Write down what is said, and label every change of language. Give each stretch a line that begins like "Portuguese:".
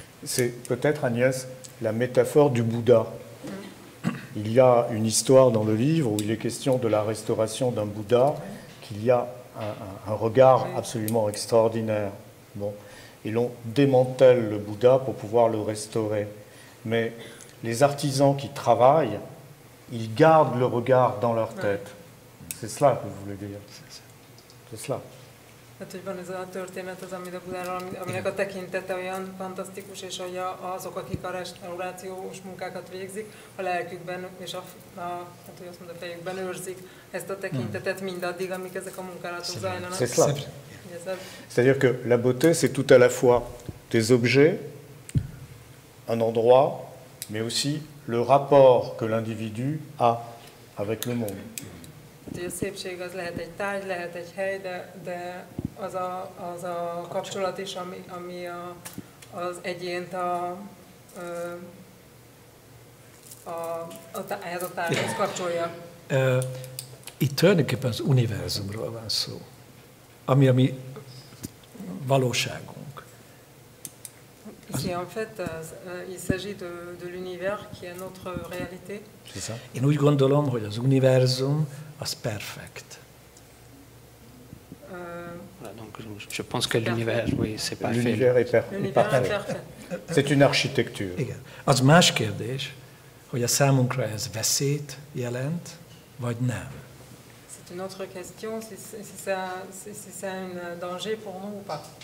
French: C'est peut-être, Agnès, la métaphore du Bouddha. Il y a une histoire dans le livre où il est question de la restauration d'un Bouddha, qu'il y a un regard absolument extraordinaire. Bon. Et l'on démantèle le Bouddha pour pouvoir le restaurer. Mais les artisans qui travaillent, ils gardent le regard dans leur tête. C'est cela que vous voulez dire. C'est cela.
Hungarian: Hát, hogy van ez a történet, az amit a Budáról, aminek a tekintete olyan fantasztikus, és hogy azok, akik a restaurációs munkákat végzik, a lelkükben és a fejükben őrzik ezt a tekintetet mindaddig, amíg ezek a munkálatok zajlanak.
French: C'est cela. C'est-à-dire que la beauté, c'est tout à la fois des objets, un endroit, mais aussi le rapport que l'individu a avec le monde.
Hungarian: A szépség az lehet egy tárgy, lehet egy hely, de az a kapcsolat is, ami az egyént ehhez a tárgyhoz kapcsolja. Itt tulajdonképpen az univerzumról van szó, ami a mi valóságunk.
French: Ici, en fait, il s'agit de l'univers, qui est notre réalité.
Hungarian: Én úgy gondolom, hogy az univerzum az perfekt.
French: Je pense que l'univers, oui, c'est parfait. L'univers est parfait. C'est une architecture.
Hungarian: Igen. Az más kérdés, hogy a számunkra ez veszélyt jelent, vagy nem.
French: C'est une autre question, si c'est un danger pour nous ou pas.